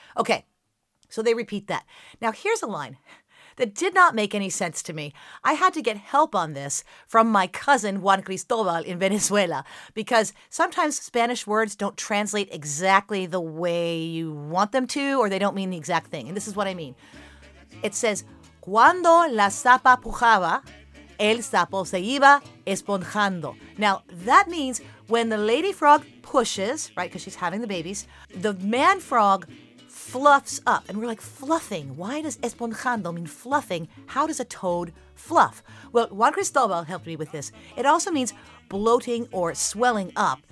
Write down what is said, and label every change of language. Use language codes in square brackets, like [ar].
[en] Okay, so they repeat that. Now here's a line that did not make any sense to me. I had to get help on this from my cousin Juan Cristobal in Venezuela, because sometimes Spanish words don't translate exactly the way you want them to, or they don't mean the exact thing. And this is what I mean. It says, [es] cuando la sapa pujaba, el sapo se iba esponjando. [en] Now, that means when the lady frog pushes, right, because she's having the babies, the man frog fluffs up. And we're like, fluffing. Why does esponjando mean fluffing? How does a toad fluff? Well, Juan Cristobal helped me with this. It also means bloating or swelling up.